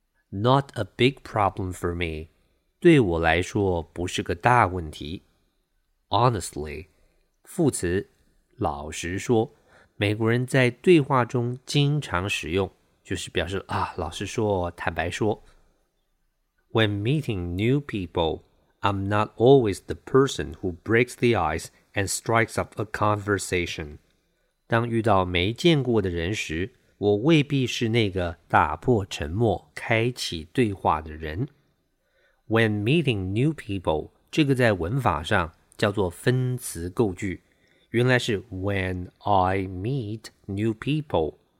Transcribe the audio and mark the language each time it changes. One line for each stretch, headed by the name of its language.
English: Not a big problem for me,
Chinese: 对我来说不是个大问题。
English: Honestly,
Chinese: 副词，老实说，美国人在对话中经常使用，就是表示啊，老实说，坦白说。
English: When meeting new people,I'm not always the person who breaks the ice and strikes up a conversation.
Chinese: 当遇到没见过的人时，我未必是那个打破沉默、开启对话的人。
English: When meeting new people,
Chinese: 这个在文法上叫做分词构句，原来是
English: when I meet new people.